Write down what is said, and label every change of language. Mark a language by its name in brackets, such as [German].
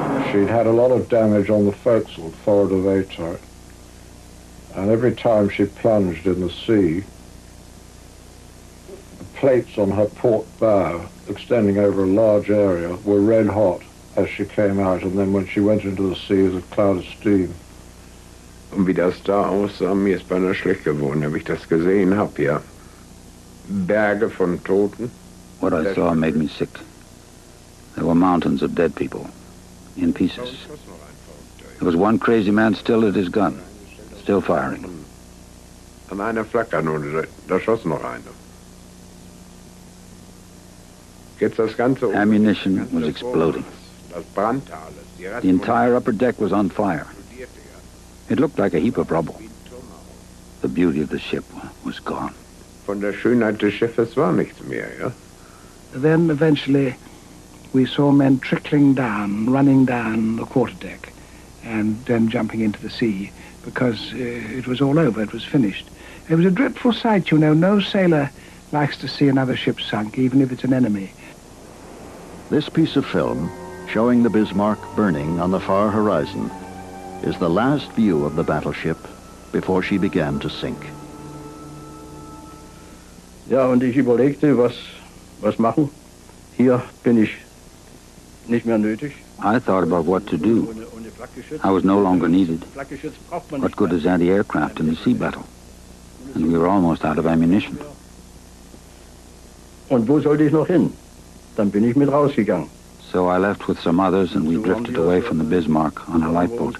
[English] She'd had a lot of damage on the forecastle, forward of A-type. And every time she plunged in the sea, the plates on her port bow, extending over a large area, were red hot as she came out. And then when she went into the sea, it was a cloud of steam. [German] Und wie das da aussah, mir ist beinahe schlecht geworden, habe ich das gesehen, hab ja. Berge von Toten. [English] What I saw made me sick. There were mountains of dead people, in pieces. There was one crazy man still at his gun, still firing. [German] An einer flackern und da schoss noch einer. Jetzt das ganze [English] Ammunition was exploding. The entire upper deck was on fire. It looked like a heap of rubble. The beauty of the ship was gone. [German] Von der Schönheit des Schiffes war nichts mehr, ja? [English] Then eventually we saw men trickling down, running down the quarterdeck and then jumping into the sea because it was all over, it was finished. It was a dreadful sight, you know. No sailor likes to see another ship sunk, even if it's an enemy. This piece of film, showing the Bismarck burning on the far horizon, is the last view of the battleship before she began to sink. [German] Ja, und ich überlegte, was machen. Hier bin ich nicht mehr nötig. [English] I thought about what to do. I was no longer needed. What good is anti-aircraft in the sea battle? And we were almost out of ammunition. [German] Und wo sollte ich noch hin? Dann bin ich mit rausgegangen. [English] So I left with some others and we drifted away from the Bismarck on a lifeboat.